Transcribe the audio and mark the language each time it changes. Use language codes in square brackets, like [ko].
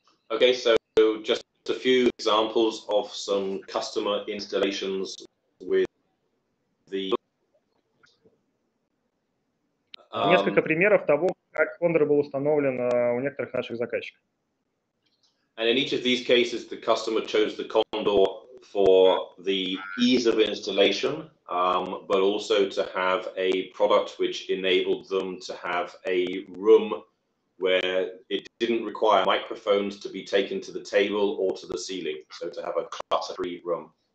[en] Okay, so just a few examples of some customer installations with the. [ru] Несколько примеров того, как Condor был установлен у некоторых наших заказчиков. [en] And in each of these cases, the customer chose the Condor for the ease of installation. But also to have a product which enabled them to have a room where it didn't require microphones to be taken to the table or to the ceiling, so to have a clutter-free room.